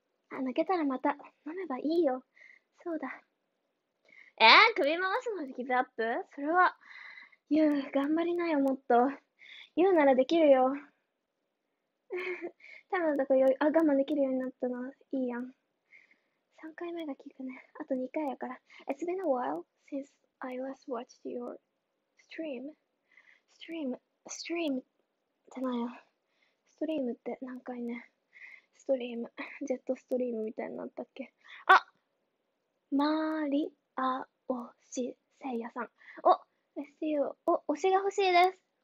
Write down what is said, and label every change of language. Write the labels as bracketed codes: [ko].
[ja] あ、抜けたらまた飲めばいいよ。そうだ。首回すのでギブアップ？それは、ユウ、頑張りなよ、もっと。ユウならできるよ。たぶんだとよ、あ、我慢できるようになったのはいいやん。 3回目が効くね。あと2回やから。 [en] It's been a while since I last watched your stream. [ja] Stream じゃないよ。ストリームって何回ね。ストリーム。ジェットストリームみたいになったっけ。あ、まーり。あ、おし、せいやさん。お、メッセージを、お、推しが欲しいです。